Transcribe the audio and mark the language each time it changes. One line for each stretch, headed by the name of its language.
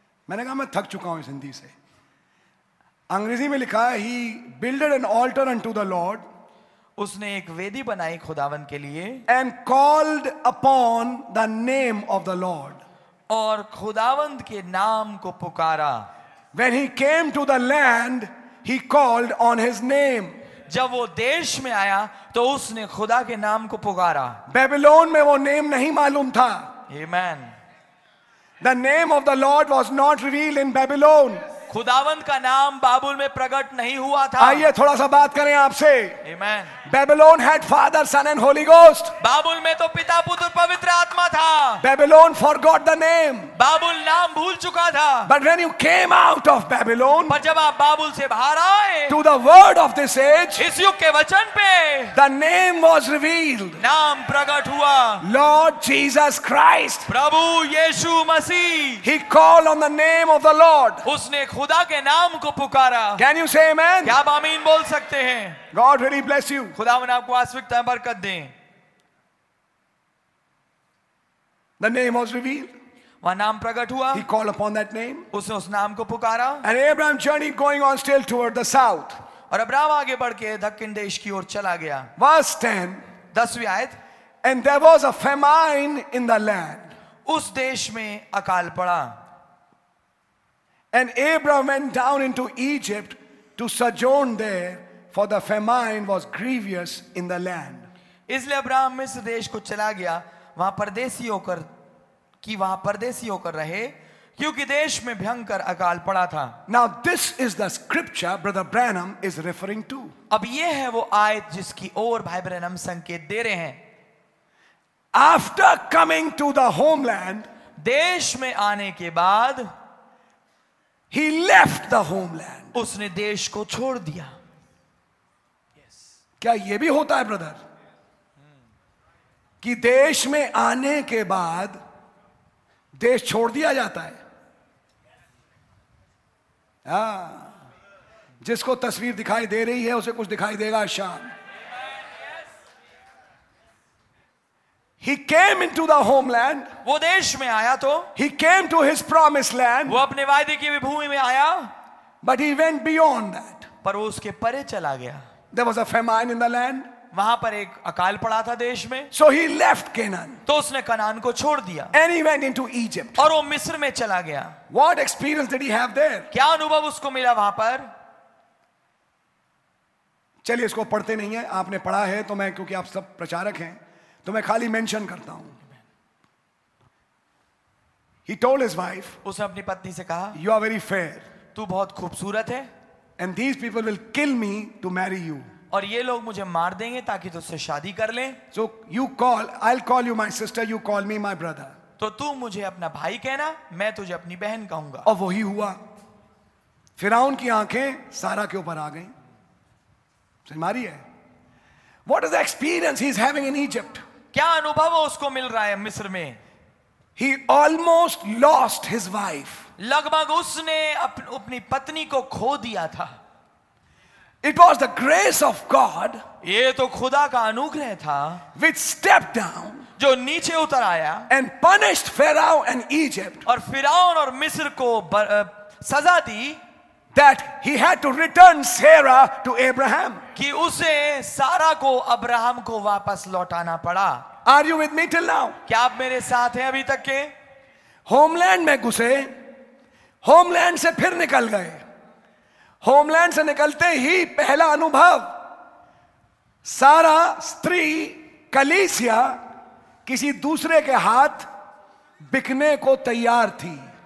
Hindi: मैंने कहा मैं थक चुका हूं इस हिंदी से. अंग्रेजी में लिखा है
English: ही builded an altar unto the lord.
Hindi: उसने एक वेदी बनाई खुदावन के लिए.
English: And called upon the name of the lord.
Hindi: और खुदावंद के नाम को पुकारा.
English: When he came to the land, he called on his name.
Hindi: जब वो देश में आया तो उसने खुदा के नाम को पुकारा. बेबीलोन में वो नेम नहीं मालूम था.
English: Amen. The name of the Lord was not revealed in Babylon.
Hindi: खुदावंद का नाम बाबुल में प्रकट नहीं हुआ था. आइए थोड़ा सा बात करें आपसे.
English: Amen. Babylon had Father, Son and Holy Ghost.
Hindi: बाबुल में तो पिता पुत्र पवित्र आत्मा था.
English: Babylon forgot the name.
Hindi: बाबुल नाम भूल चुका था.
English: But when you came out of Babylon,
Hindi: पर जब आप बाबुल से बाहर आए,
English: to the word of this age,
Hindi: इस युग के वचन पे,
English: the name was revealed.
Hindi: नाम प्रकट हुआ.
English: Lord Jesus Christ.
Hindi: Prabhu Yeshu Masih.
English: He called on the name of the Lord.
Hindi: उसने खुदा के नाम को पुकारा.
English: Can you say amen?
Hindi: क्या आप आमीन बोल सकते हैं?
English: God really bless you.
Hindi: खुदावन आपको आस्विकता में बरकत दे.
English: The name was revealed.
Hindi: वह नाम प्रकट हुआ.
English: He called upon that name.
Hindi: उसने उस नाम को पुकारा.
English: And Abraham journeyed going on still toward the south.
Hindi: और अब्राहम आगे बढ़ के दक्षिण देश की ओर चला गया.
English: Verse 10.
Hindi: दसवीं आयत.
English: And there was a famine in the land.
Hindi: उस देश में अकाल पड़ा.
English: And Abraham went down into Egypt to sojourn there. For the famine was grievous in the land.
Hindi: इसलिए अब्राहम मिस्र देश को चला गया वहां परदेशी होकर रहे क्योंकि देश में भयंकर अकाल पड़ा था.
English: Now this is the scripture Brother Branham is referring to.
Hindi: अब यह है वो आयत जिसकी ओर भाई ब्रैनम संकेत दे रहे हैं.
English: After coming to the homeland,
Hindi: देश में आने के बाद,
English: he left the homeland.
Hindi: उसने देश को छोड़ दिया. क्या ये भी होता है ब्रदर कि देश में आने के बाद देश छोड़ दिया जाता है? जिसको तस्वीर दिखाई दे रही है उसे कुछ दिखाई देगा शाम.
English: He came into the homeland.
Hindi: वो देश में आया तो.
English: He came to his promised land.
Hindi: वो अपने वायदे की भूमि में आया.
English: But he went beyond that.
Hindi: पर वो उसके परे चला गया.
English: There was a famine in the land.
Hindi: वहाँ पर एक अकाल पड़ा था देश में.
English: So he left Canaan.
Hindi: तो उसने कनान को छोड़ दिया.
English: And he went into Egypt.
Hindi: और वो मिस्र में चला गया.
English: What experience did he have there?
Hindi: क्या अनुभव उसको मिला वहाँ पर? चलिए इसको पढ़ते नहीं है. आपने पढ़ा है तो मैं क्योंकि आप सब प्रचारक हैं तो मैं खाली मेंशन करता हूँ.
English: He told his wife.
Hindi: उसने अपनी पत्नी से कहा.
English: You are very fair.
Hindi: तू बहुत खूबसूरत है.
English: And these people will kill me to marry you.
Hindi: और ये लोग मुझे मार देंगे ताकि तुझसे शादी कर लें.
English: So you call, I'll call you my sister. You call me my brother.
Hindi: तो तू मुझे अपना भाई कहना, मैं तुझे अपनी बहन कहूँगा. और वही हुआ. फिराउन की आंखें सारा के ऊपर आ गईं. समझ में आ रही है?
English: What is the experience he's having in Egypt?
Hindi: क्या अनुभव उसको मिल रहा है मिस्र में?
English: He almost lost his wife.
Hindi: लगभग उसने अपनी पत्नी को खो दिया था.
English: It was the grace of God.
Hindi: ये तो खुदा का अनुग्रह था.
English: Which stepped down.
Hindi: जो नीचे उतर आया.
English: And punished Pharaoh and Egypt.
Hindi: और फिराउन और मिस्र को सजा दी.
English: That he had to return Sarah to Abraham.
Hindi: कि उसे सारा को अब्राहम को वापस लौटाना पड़ा.
English: Are you with me till now?
Hindi: क्या आप मेरे साथ हैं अभी तक के? Homeland में घुसे. होमलैंड से फिर निकल गए. होमलैंड से निकलते ही पहला अनुभव, सारा स्त्री कलीसिया किसी दूसरे के हाथ बिकने को तैयार थी.